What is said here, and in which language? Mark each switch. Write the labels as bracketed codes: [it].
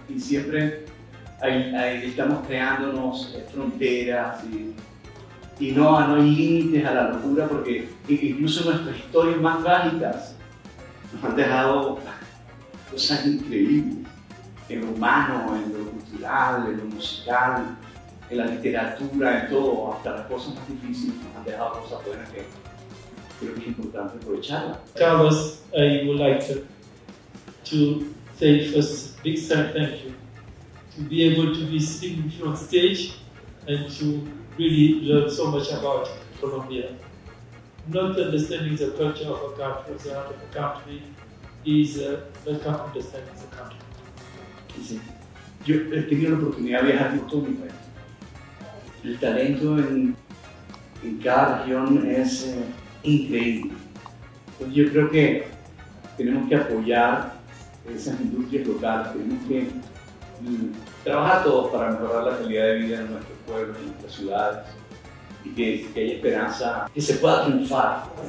[es] Y siempre ahí estamos creándonos fronteras y no hay límites a la locura, porque incluso nuestras historias más trágicas nos han dejado cosas increíbles en lo humano, en lo cultural, en lo musical, en la literatura, en todo, hasta las cosas más difíciles nos han dejado cosas buenas que creo que es importante aprovecharlas. [en] Carlos, I would like to say first big thank you to be able to be speaking from stage and to really learn so much about Colombia. Not understanding the culture of a country, the art of a country, is not understanding the country. [es] Sí. Yo he tenido la oportunidad de viajar por todo mi país. El talento en cada región es increíble. Entonces yo creo que tenemos que apoyar esas industrias locales, tenemos que trabajar todos para mejorar la calidad de vida de nuestros pueblos, de nuestras ciudades, y que haya esperanza, que se pueda triunfar.